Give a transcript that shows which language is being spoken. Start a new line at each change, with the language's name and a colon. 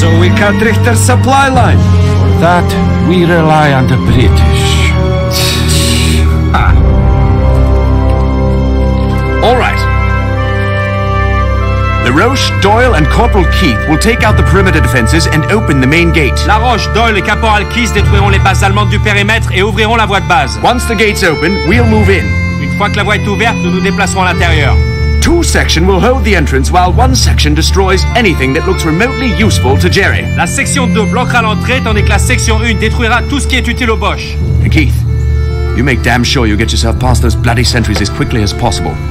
English: So we cut Richter's supply line. For that, we rely on the British. All right. Laroche, Doyle, and Corporal Keith will take out the perimeter defenses and open the main gate.
French: Laroche, Doyle, et Caporal Keith détruiront les bases allemandes du périmètre et ouvriront la voie de base.
English: Once the gate's open, we'll move in.
French: Une fois que la voie est ouverte, nous nous déplacerons à l'intérieur.
English: Two section will hold the entrance while one section destroys anything that looks remotely useful to Jerry.
French: La section 2 bloquera l'entrée tandis que la section 1 détruira tout ce qui est utile aux Boches.
English: And Keith, you make damn sure you get yourself past those bloody sentries as quickly as possible.